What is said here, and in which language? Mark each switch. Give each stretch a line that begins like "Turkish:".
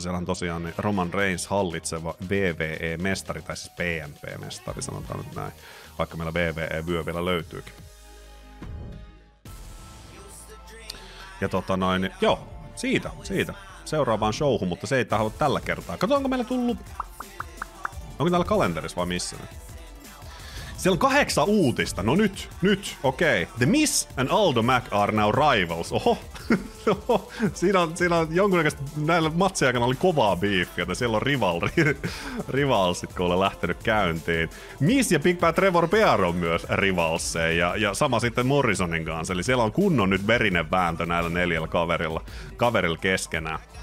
Finnish: Siellä on tosiaan Roman Reigns hallitseva WWE-mestari, tai siis PNP-mestari, sanotaan nyt näin, vaikka meillä WWE-vyö vielä löytyykin. Ja tota noin, joo, siitä. Seuraavaan showhun, mutta se ei tahdo tällä kertaa. Katsotaanko meillä tullut, onko täällä kalenterissa vai missä nyt? Siellä on 8 uutista. No nyt, okei.
English: Okay. The Miz and Aldo Mac are now rivals.
Finnish: Oho, siinä on jonkunnäköistä, näillä matseja aikana oli kovaa biiffiä, että siellä on rivalsit, kun olen lähtenyt käyntiin. Miz ja Big Bad Trevor Bear on myös rivalseja, ja sama sitten Morrisonin kanssa. Eli siellä on kunnon nyt verinen vääntö näillä neljällä kaverilla keskenään.